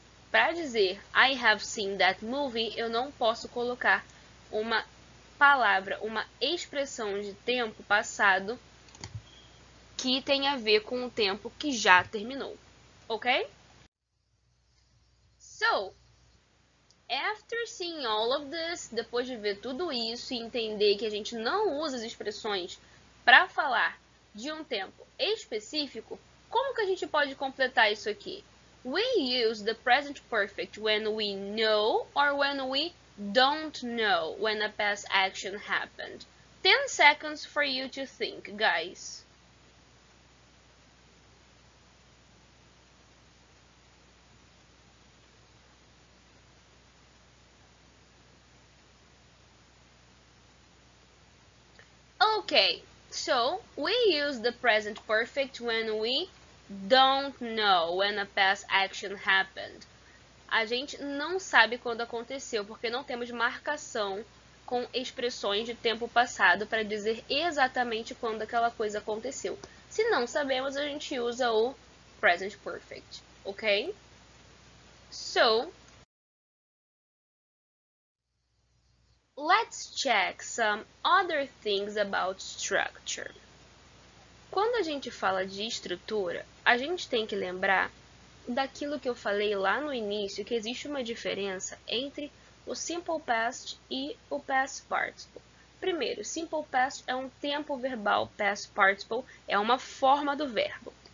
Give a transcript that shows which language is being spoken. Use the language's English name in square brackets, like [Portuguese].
[Portuguese] Para dizer [English] I have seen that movie, [Portuguese] eu não posso colocar uma palavra, uma expressão de tempo passado que tenha a ver com o tempo que já terminou. Okay? [English] So, after seeing all of this, [Portuguese] depois de ver tudo isso e entender que a gente não usa as expressões para falar de um tempo específico, como que a gente pode completar isso aqui? [English] We use the present perfect when we know or when we don't know when a past action happened. 10 seconds for you to think, guys. Okay, so we use the present perfect when we don't know when a past action happened. [Portuguese] A gente não sabe quando aconteceu, porque não temos marcação com expressões de tempo passado para dizer exatamente quando aquela coisa aconteceu. Se não sabemos, a gente usa o present perfect, ok? [English] So, let's check some other things about structure. [Portuguese] Quando a gente fala de estrutura, a gente tem que lembrar daquilo que eu falei lá no início, que existe uma diferença entre o simple past e o past participle. Primeiro, simple past é um tempo verbal, past participle é uma forma do verbo.